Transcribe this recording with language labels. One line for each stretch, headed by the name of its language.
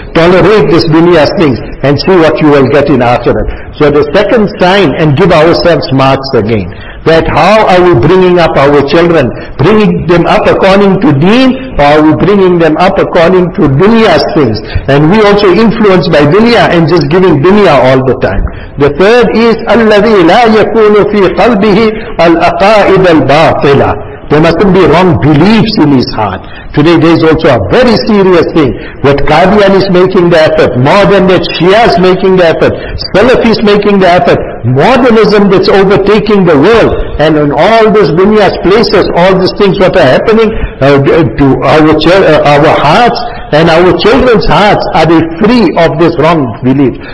English: Tolerate this dunya's things and see what you will get in akhirat. So the second sign, and give ourselves marks again, that how are we bringing up our children? Bringing them up according to deen, or are we bringing them up according to dunya's things? And we also influenced by dunya and just giving dunya all the time. The third is,
Arabic: الَّذِي لَا يَكُونُ فِي قَلْبِهِ الْأَقَائِدَ الْبَاطِلَةِ.
English: There mustn't be wrong beliefs in his heart. Today there is also a very serious thing. What Qadian is making the effort. More than that, Shia is making the effort. Salafi is making the effort. Modernism that's overtaking the world. And in all these dunya's places, all these things what are happening to our hearts and our children's hearts, are they free of this wrong belief?